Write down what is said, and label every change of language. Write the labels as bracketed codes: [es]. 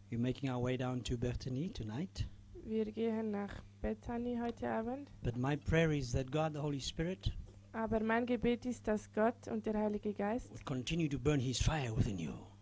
[en] We're making our way down to Bethany tonight. [de] Wir gehen nach Bethany heute Abend. [en] But my prayer is that God, the Holy Spirit, [de] aber mein Gebet ist, dass Gott und der Heilige Geist [en] will continue to burn his fire within you.